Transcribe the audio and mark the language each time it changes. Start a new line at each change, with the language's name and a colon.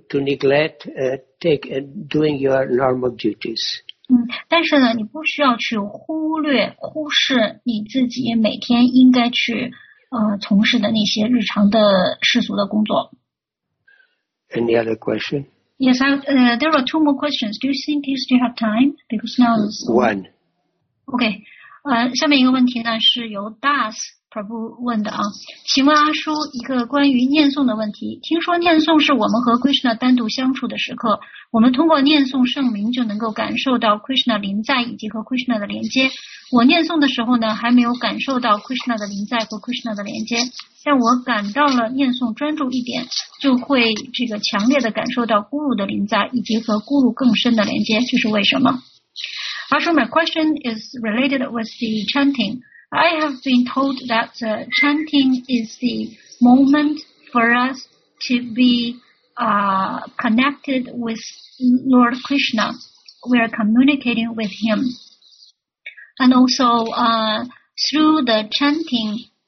English: Without needing to neglect doing your normal duties.
Chinese: 但是呢，你不需要去忽视你自己每天应该去从事的那些日常的世俗的工作。
English: Any other question? Yes, there are 2 more questions. Do you think you still have time? Because now is one. Okay.
Chinese: 下面一个问题呢是由 Das Prabhu 问的啊。请问阿叔一个关于念诵的问题。听说念诵是我们和 Krishna 单独相处的时刻。我们通过念诵圣名就能够感受到 Krishna 临在以及和 Krishna 的连接。我念诵的时候呢还没有感受到 Krishna 的临在和 Krishna 的连接。但我感到了念诵专注一点，就会这个强烈的感受到咕噜的临在以及和咕噜更深的连接，这是为什么？
English: Also, my question is related with the chanting. I have been told that the chanting is the moment for us to be connected with Lord Krishna. We are communicating with him. And also, through the chanting,